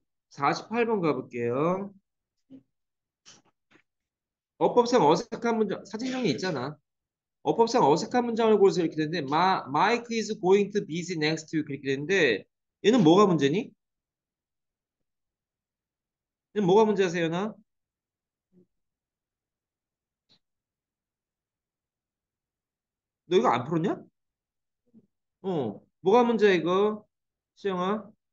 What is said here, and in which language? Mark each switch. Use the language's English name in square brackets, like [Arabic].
[Korean] 48번 가볼게요. 어법상 어색한 문장, 사진형이 있잖아. 어법상 어색한 문장을 골라서 이렇게 되는데, [English] Mike is going to be next to you. [Korean] 그렇게 되는데, 얘는 뭐가 문제니? 얘는 뭐가 문제야, 세연아? 너 이거 안 풀었냐? 뭐가 문제야, 이거? 시영아?